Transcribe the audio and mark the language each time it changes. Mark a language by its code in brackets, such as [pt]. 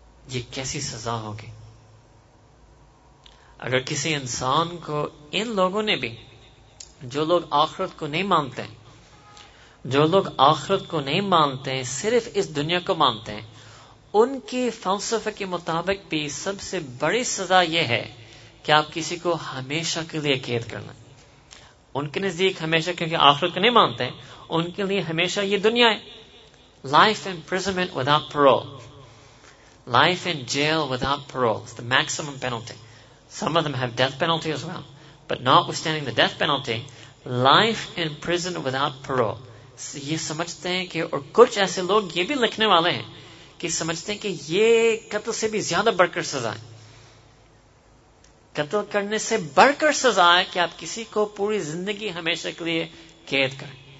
[ur] یہ کیسی سزا ہوگی اگر کسی انسان کو, ان لوگوں نے بھی جو لوگ آخرت کو نہیں مانتے, جو لوگ آخرت کو نہیں مانتے صرف اس دنیا کو مانتے ہیں, ان کی فلسفہ کے مطابق بھی سب سے بڑی سزا یہ ہے کہ آپ کسی کو ہمیشہ کے لیے قید کرنا. ان کے نزدیک ہمیشہ, کیونکہ آخرت کو نہیں مانتے ان کے لیے ہمیشہ یہ دنیا ہے. [en] Life imprisonment without parole. Life in jail without parole is the maximum penalty. Some of them have death penalty as well. But notwithstanding the death penalty, life in prison without parole. [ur] یہ سمجھتے ہیں کہ, اور کچھ ایسے لوگ یہ بھی لکھنے والے ہیں کہ سمجھتے ہیں کہ یہ قتل سے بھی زیادہ بڑھ کر سزا ہے. قتل کرنے سے بڑھ کر سزا ہے کہ آپ کسی کو پوری زندگی ہمیشہ کے لیے قید کریں.